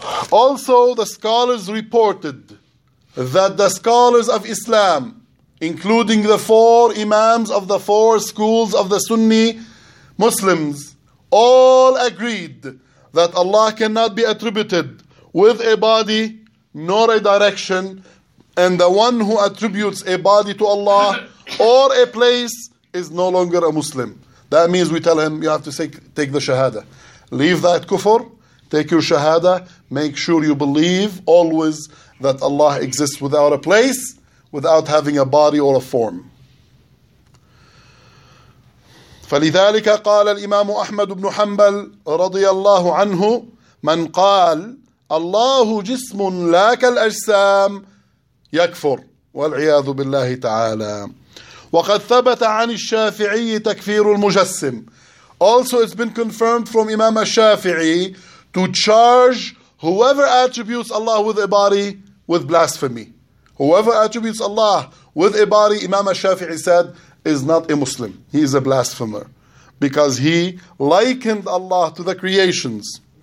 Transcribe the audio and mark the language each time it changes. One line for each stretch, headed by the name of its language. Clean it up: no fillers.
English: Also, the scholars reported that the scholars of Islam, including the four imams of the four schools of the Sunni Muslims, all agreed that Allah cannot be attributed with a body nor a direction, and the one who attributes a body to Allah or a place is no longer a Muslim. That means we tell him, you have to take the shahada. Leave that kufr, take your shahada, make sure you believe always that Allah exists without a place, without having a body or a form.
Arabic: فلذلك قال الإمام أحمد بن حنبل رضي الله عنه من قال الله جسم لا كالأجسام يكفر والعياذ بالله تعالى. وقد ثبت عن الشافعي تكفير المجسم.
English: Also it's been confirmed from Imam al-Shafi'i to charge whoever attributes Allah with a body with blasphemy. Whoever attributes Allah with a body, Imam al-Shafi'i said, is not a Muslim. He is a blasphemer. Because he likened Allah to the creations.